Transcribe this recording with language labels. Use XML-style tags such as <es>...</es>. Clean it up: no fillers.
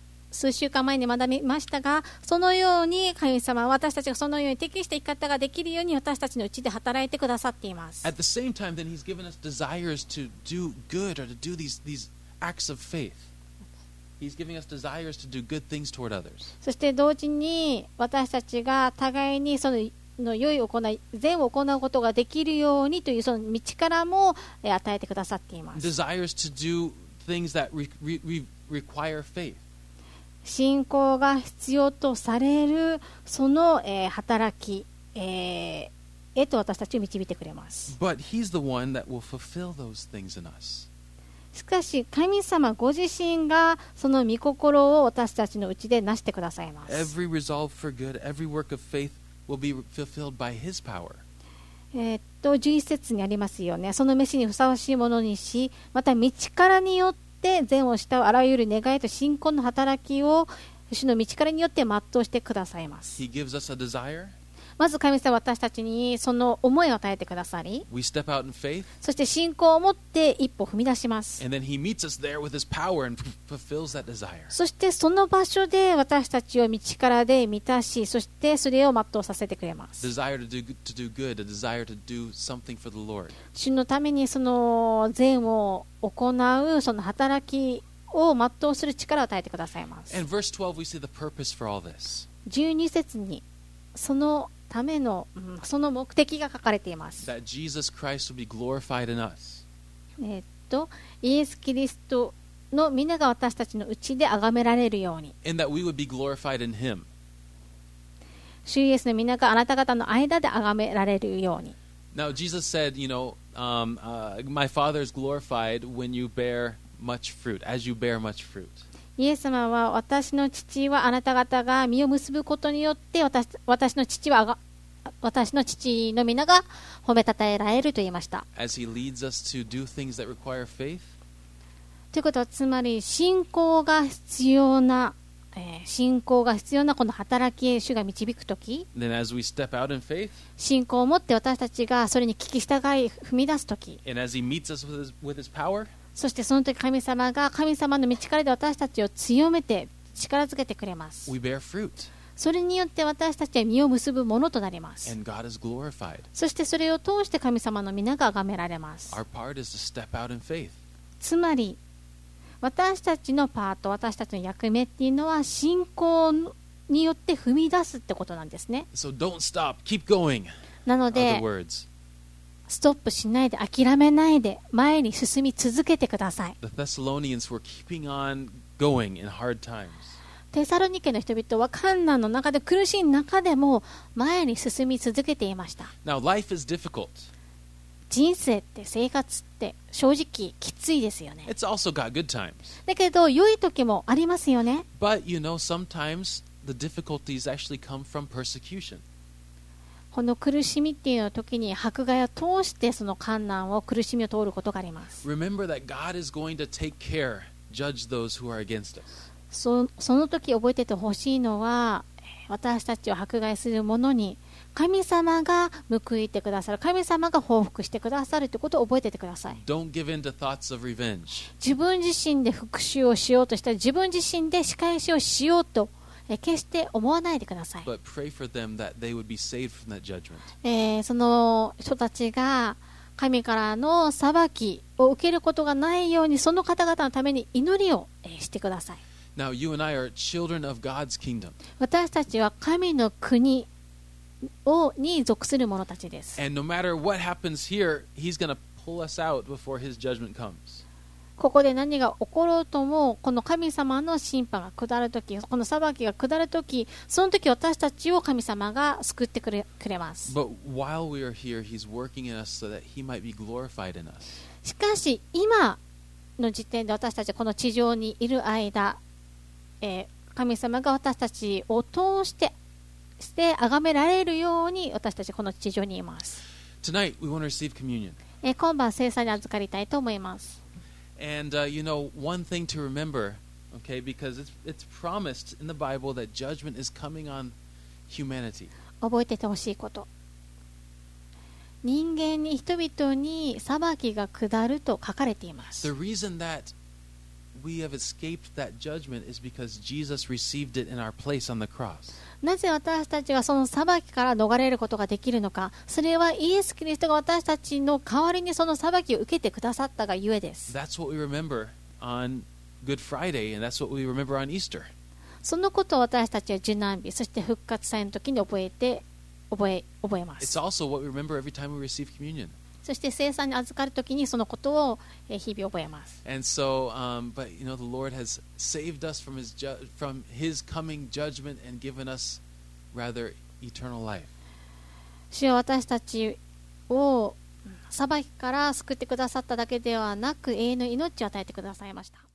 <ja>数週間前に学びましたが、そのように神様は私たちがそのように適した生き方ができるように私たちのうちで働いてくださっています。</ja> <en>At the same time, then he's given us desires to do good or to do these acts of faith. He's giving us desires to do good things toward others.</en> <ja>そして同時に私たちが互いにその良い行い、善を行うことができるようにというその道からも与えてくださっています。</ja> <en>Desires to do things that require faith.</en> <ja>信仰が必要とされるその働きへと私たちを導いてくれます。</ja> <en>But he's the one that will fulfill those things in us.</en> <ja>しかし神様ご自身がその御心を私たちのうちで成してくださいます。</ja> <en>Every resolve for good, every work of faith will be fulfilled by his power.</en> <ja>11節にありますよね。その召しにふさわしいものにし、また御力によって善を慕うあらゆる願いと信仰の働きを主の御力によって全うしてくださいます。</ja> <en>He gives us a desire.</en> <ja>まず神様は私たちにその思いを与えてくださり、</ja> <en>We step out in faith.</en> <ja>そして信仰を持って一歩踏み出します。</ja> <en>And then he meets us there with his power and fulfills that desire.</en> <ja>そしてその場所で私たちを御力で満たし、そしてそれを全うさせてくれます。</ja> <en>Desire to do good, a desire to do something for the Lord.</en> <ja>主のためにその善を行うその働きを全うする力を与えてくださいます。</ja> <en>And verse 12, we see the purpose for all this.</en> <ja>12節にそのための、その目的が書かれています。</ja> <en>That Jesus Christ will be glorified in us.</en> <ja>イエス・キリストの皆が私たちのうちで崇められるように。</ja> <en>And that we would be glorified in him.</en> <ja>主イエスの皆があなた方の間で崇められるように。</ja> <en>Now Jesus said, you know, my Father is glorified when you bear much fruit, as you bear much fruit.</en> <ja>イエス様は私の父はあなた方が実を結ぶことによって私の父の皆が褒めたたえられると言いました。</ja> <en>As he leads us to do things that require faith.</en> <ja>ということはつまり信仰が必要な、信仰が必要なこの働きへ主が導くとき、</ja> <en>Then as we step out in faith.</en> <ja>信仰を持って私たちがそれに聞き従い踏み出すとき、</ja> <en>And as he meets us with his power.</en> <ja>そしてその時神様が神様の道からで私たちを強めて力づけてくれます。</ja> <en>We bear fruit.</en> <ja>それによって私たちは実を結ぶものとなります。</ja> <en>And God is glorified.</en> <ja>そしてそれを通して神様の皆が崇められます。</ja> <en>Our part is to step out in faith.</en> <ja>つまり私たちのパート、私たちの役目っていうのは信仰によって踏み出すってことなんですね。</ja> <en>So don't stop. Keep going.</en> <ja>なのでストップしないで諦めないで前に進み続けてください。</ja> <en>The Thessalonians were keeping on going in hard times.</en> <ja>テサロニケの人々は困難の中で苦しい中でも前に進み続けていました。</ja> <en>Now, life is difficult.</en> <ja>人生って生活って正直きついですよね。</ja> <en>It's also got good times.</en> <ja>だけど良い時もありますよね。</ja> <en>But you know, sometimes the difficulties actually come from persecution.</en> <ja>この苦しみっていうのは時に迫害を通してその困難を苦しみを通ることがあります。</ja> <en>Remember that God is going to take care, judge those who are against us.</en> <ja>その時覚えててほしいのは私たちを迫害する者に神様が報いてくださる、神様が報復してくださるということを覚えててください。</ja> <en>Don't give in to thoughts of revenge.</en> <ja>自分自身で復讐をしようとしたら自分自身で仕返しをしようと決して思わないでください。</ja> <en>But pray for them that they would be saved from that judgment.</en> <ja>その人たちが神からの裁きを受けることがないようにその方々のために祈りをしてください。</ja> <en>Now you and I are children of God's kingdom.</en> <ja>私たちは神の国をに属する者たちです。</ja> <en>And no matter what happens here, He's going to pull us out before His judgment comes.</en> <ja>ここで何が起ころうともこの神様の審判が下るときこの裁きが下るときそのとき私たちを神様が救ってくれます。</ja> <en>But while we are here, he's working in us so that he might be glorified in us.</en> <ja>しかし今の時点で私たちこの地上にいる間、神様が私たちを通してして崇められるように私たちこの地上にいます。</ja> <en>Tonight, we want to receive communion.</en> <ja>今晩聖餐に預かりたいと思います。</ja> <en>And you know, one thing to remember, okay, because it's promised in the Bible that judgment is coming on humanity.</en> <ja>覚えててほしいこと。人間に人々に裁きが下ると書かれています。</ja> <en>The reason that we have escaped that judgment is because Jesus received it in our place on the cross.</en> <ja>なぜ私たちがその裁きから逃れることができるのか、それはイエス・キリストが私たちの代わりにその裁きを受けてくださったがゆえです。</ja> <en>That's what we remember on Good Friday, and that's what we remember on Easter.</en> <ja>そのことを私たちは受難日、そして復活祭の時に覚えます。</ja> <en>It's also what we remember every time we receive communion.</en> <ja>そして聖餐に預かるときにそのことを日々覚えます。</ja> <en>And so, but you know, the Lord has saved us from his coming judgment and given us rather eternal life.</en> <ja>主は私たちを裁きから救ってくださっただけではなく永遠の命を与えてくださいました。</ja>